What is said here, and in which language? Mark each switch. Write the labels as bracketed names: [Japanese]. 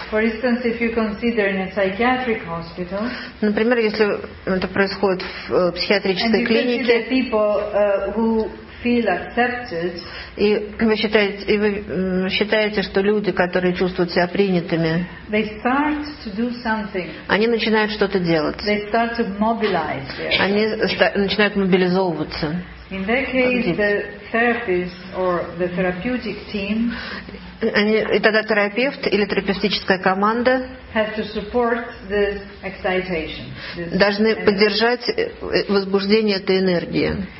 [English] For instance, if you consider in a psychiatric hospital, [Russian] например, если это происходит в психиатрической клинике, [English] and you consider people who feel accepted, [Russian] и вы считаете, что люди, которые чувствуют себя принятыми, [English] they start to do something. [Russian] Они начинают что-то делать. [English] They start to mobilize. [Russian] Они начинают мобилизовываться. [English] In that case, the therapist or the therapeutic team. [Russian] И тогда терапевт или терапевтическая команда должны поддержать возбуждение этой энергии.